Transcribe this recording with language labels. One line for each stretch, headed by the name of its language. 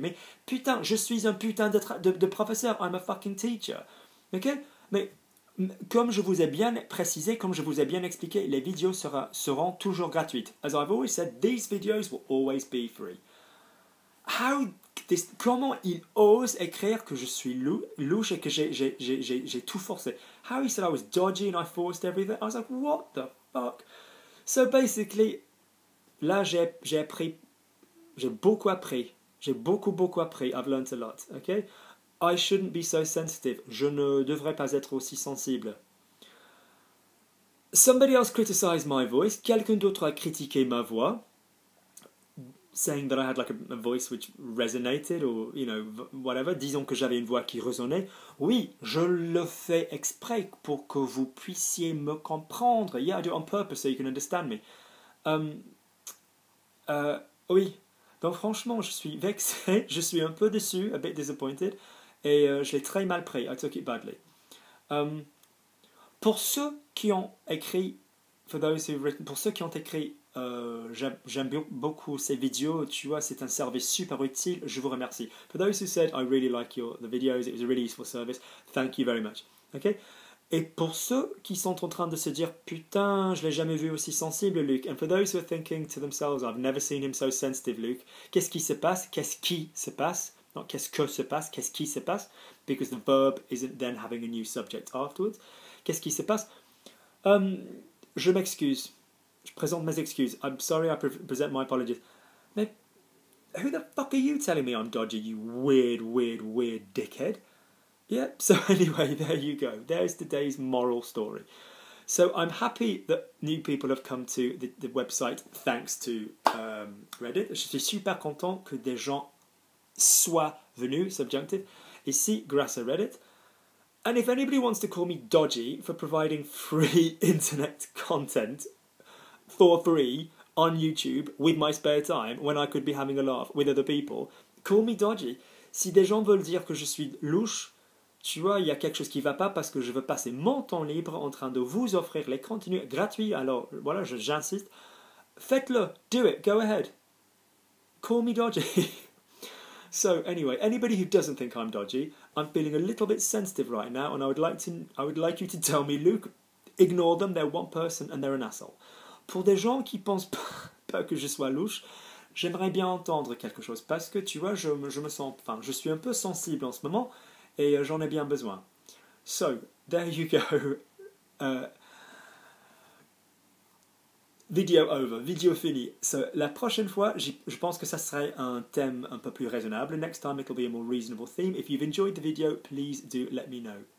French: Mais putain, je suis un putain de professeur.
English: I'm a fucking teacher. OK?
French: Mais comme je vous ai bien précisé, comme je vous ai bien expliqué, les vidéos seront toujours gratuites.
English: As I've always said, these videos will always be free.
French: Comment il ose écrire que je suis louche et que j'ai tout forcé?
English: How he said I was dodgy and I forced everything? I was like, what the fuck? So basically,
French: là j'ai appris, j'ai beaucoup appris.
English: I've learned a lot, okay? I shouldn't be so sensitive.
French: Je ne devrais pas être aussi sensible.
English: Somebody else criticized my voice.
French: Quelqu'un d'autre a critiqué ma voix.
English: Saying that I had like a voice which resonated or, you know, whatever.
French: Disons que j'avais une voix qui résonnait. Oui, je le fais exprès pour que vous puissiez me comprendre.
English: Yeah, I do it on purpose so you can understand me.
French: Oui. Donc franchement, je suis vexé. Je suis un peu déçu,
English: a bit disappointed.
French: Et je l'ai très mal pris.
English: I took it badly.
French: Pour ceux qui ont écrit,
English: for those who've written,
French: pour ceux qui ont écrit, j'aime beaucoup ces vidéos. Tu vois, c'est un service super utile. Je vous remercie.
English: For those who said I really like the videos, it was a really useful service. Thank you very much. Ok.
French: Et pour ceux qui sont en train de se dire putain, je l'ai jamais vu aussi sensible, Luke.
English: And for those who are thinking to themselves, I've never seen him so sensitive, Luke.
French: Qu'est-ce qui se passe? Qu'est-ce qui se passe? Not qu'est-ce que se passe, qu'est-ce qui se passe,
English: because the verb isn't then having a new subject afterwards.
French: Qu'est-ce qui se passe? Je m'excuse. Je présente mes excuses.
English: I'm sorry, I present my apologies. Mais who the fuck are you telling me I'm dodgy, you weird, weird, weird dickhead? Yep, so anyway, there you go. There's today's moral story. So I'm happy that new people have come to the website thanks to Reddit.
French: Je suis super content que des gens soit venu, subjunctive, ici, grâce à Reddit.
English: And if anybody wants to call me dodgy for providing free internet content for free on YouTube with my spare time when I could be having a laugh with other people, call me dodgy.
French: Si des gens veulent dire que je suis louche, tu vois, il y a quelque chose qui ne va pas parce que je veux passer mon temps libre en train de vous offrir les contenus gratuits, alors voilà, j'insiste. Faites-le,
English: do it, go ahead. Call me dodgy. So anyway, anybody who doesn't think I'm dodgy, I'm feeling a little bit sensitive right now, and I would like you to tell me, Luke, ignore them, they're one person and they're an asshole.
French: Pour des gens qui pensent pas que je sois louche, j'aimerais bien entendre quelque chose, parce que tu vois, je suis un peu sensible en ce moment, et j'en ai bien besoin.
English: So, there you go. Video over,
French: video fini. So, la prochaine fois, je pense que ça serait un thème un peu plus raisonnable.
English: Next time, it'll be a more reasonable theme. If you've enjoyed the video, please do let me know.